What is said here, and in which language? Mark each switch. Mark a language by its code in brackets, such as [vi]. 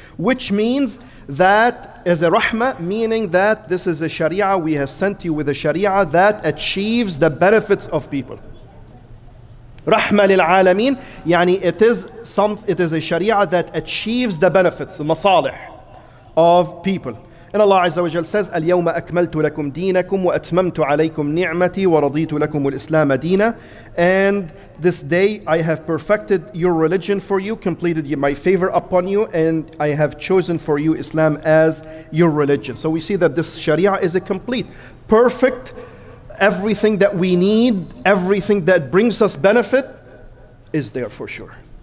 [en] Which means that as a rahmah, meaning that this is a sharia, we have sent you with a sharia that achieves the benefits of people. [ar] رحمة للعالمين, [en] يعني it is some, it is a sharia that achieves the benefits, the masalih of people. And Allah Azza wa Jal says, [ar] اليوم أكملت لكم دينكم وأتممت عليكم نعمتي ورضيت لكم الإسلام دينا. [en] And this day I have perfected your religion for you, completed my favor upon you, and I have chosen for you Islam as your religion. So we see that this Sharia is a complete, perfect, everything that we need, everything that brings us benefit is there for sure.